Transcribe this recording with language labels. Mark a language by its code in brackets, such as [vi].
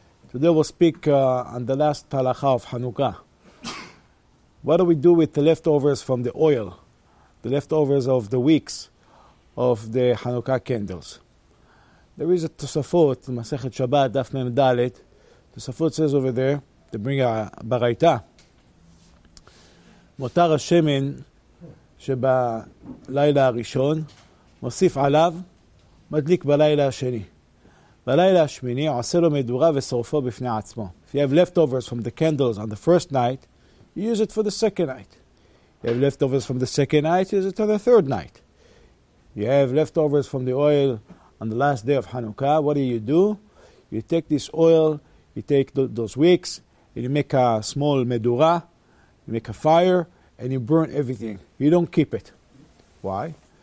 [en] Today we'll speak on the last halacha of Hanukkah. What do we do with the leftovers from the oil, the leftovers of the weeks of the Hanukkah candles? There is a Tosafot, Masechet Shabbat, Daf Mem Dalet. Tosafot says over there, they bring a baraita. [he] Motar Hashemen, שבלילה הראשון, מוסיף עליו, מדליק בלילה השני. בלילה השמיני, עושה לו מדורה ושורפו בפני עצמו. [en] If you have leftovers from the candles on the first night, you use it for the second night. You have leftovers from the second night, you use it on the third night. You have leftovers from the oil on the last day of Hanukkah, what do? You take this oil, you take those wicks, and you make a small medura, you make a fire, and you burn everything. You don't keep it. Why?